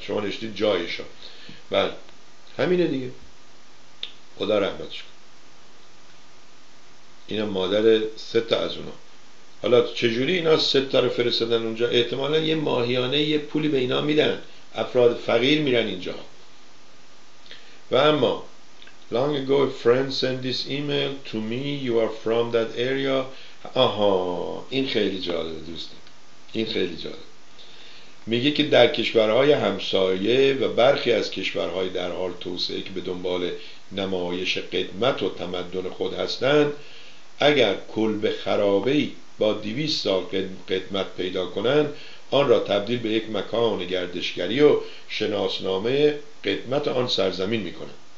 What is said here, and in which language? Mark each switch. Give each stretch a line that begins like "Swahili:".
Persian: شما نشتین جایشان. بله همینه دیگه، خدا رحمتش کن. اینا مادر سه تا از اونا. حالا چجوری اینا سه تا رو فرستادن اونجا؟ احتمالا یه ماهیانه یه پولی به اینا میدن، افراد فقیر میرن اینجا. و اما
English: long ago a friend sent this email to me, you are from that area.
Persian: آها، این خیلی جالبه دوستان، این خیلی جالبه. میگه که در کشورهای همسایه و برخی از کشورهای در حال توسعه که به دنبال نمایش قدمت و تمدن خود هستند، اگر کلبه خرابه‌ای با 200 سال قدمت پیدا کنند، آن را تبدیل به یک مکان گردشگری و شناسنامه قدمت آن سرزمین می کنند.